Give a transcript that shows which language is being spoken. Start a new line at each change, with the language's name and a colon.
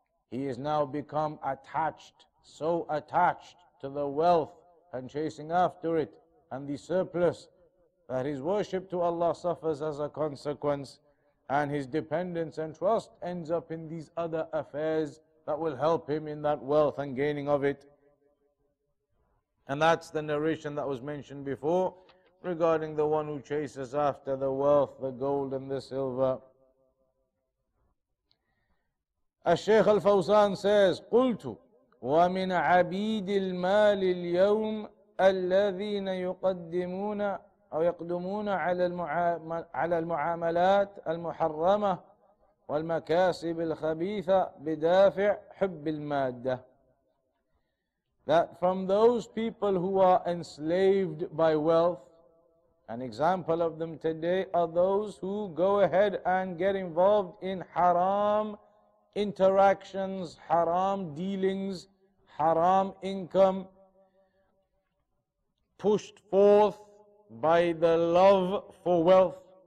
English: He has now become attached, so attached to the wealth and chasing after it and the surplus, that his worship to Allah suffers as a consequence, and his dependence and trust ends up in these other affairs that will help him in that wealth and gaining of it. And that's the narration that was mentioned before regarding the one who chases after the wealth, the gold and the silver.
Arabic: الشيخ الفوزان
English: says,
Arabic: قلت ومن عبيد المال اليوم الذين يقدمون أو يقدمون على المعاملات المحرمة والمكاسب الخبيثة بدافع حب المادة.
English: That from those people who are enslaved by wealth, an example of them today are those who go ahead and get involved in haram interactions, haram dealings, haram income pushed forth by the love for wealth.